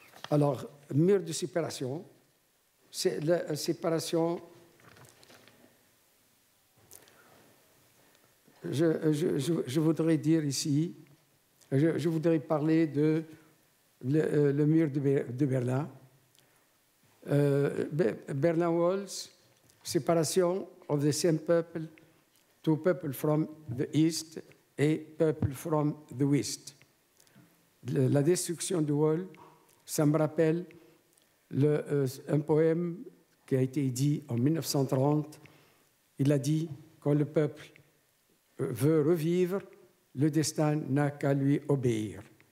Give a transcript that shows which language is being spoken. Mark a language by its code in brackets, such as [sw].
[fr] Alors, mur de séparation, c'est la séparation. Je voudrais dire ici, je voudrais parler de le mur de Berlin. [en] Berlin Walls, séparation of the same people to people from the East [fr] et [en] people from the West. [fr] La destruction du [en] wall, [fr] ça me rappelle un poème qui a été dit en 1930. Il a dit, quand le peuple veut revivre, le destin n'a qu'à lui obéir.